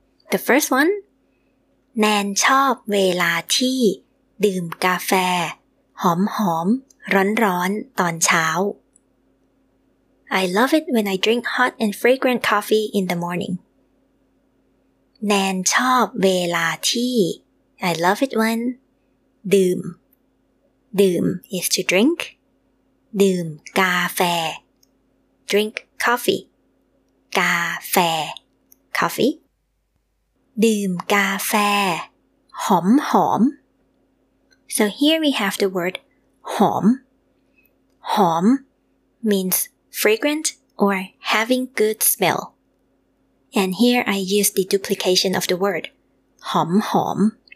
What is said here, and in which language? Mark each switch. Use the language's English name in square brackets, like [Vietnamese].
[English] The first one. [Thai] Nan chop vela ti. ดื่มกาแฟหอมๆร้อนๆตอนเช้า [English] I love it when I drink hot and fragrant coffee in the morning. [Thai] แนนชอบเวลาที่ [English] I love it when ดื่ม is to drink. [Thai] ดื่มกาแฟ [English] drink coffee. กาแฟ coffee. [Thai] ดื่มกาแฟหอมๆ [English] So here we have the word hom. Hom means fragrant or having good smell. And here I use the duplication of the word hom hom.